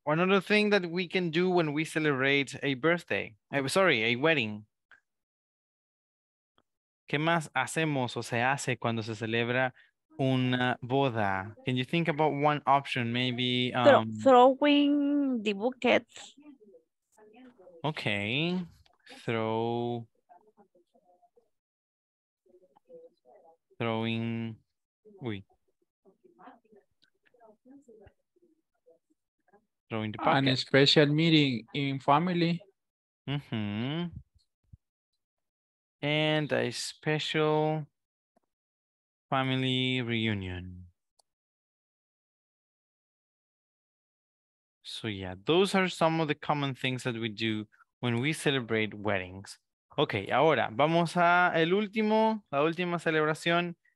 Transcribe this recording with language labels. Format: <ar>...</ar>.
<en>Another thing that we can do when we celebrate a birthday. A wedding.</en> <es>¿Qué más hacemos o se hace cuando se celebra una boda?</es> <en>Can you think about one option? Maybe throwing the bouquets. Okay. Throw. Throwing, throwing the bucket. And a special meeting in family. Mm-hmm. And a special family reunion. So yeah, those are some of the common things that we do when we celebrate weddings.</en> <es>Okay, ahora vamos a el último, la última celebración.</es>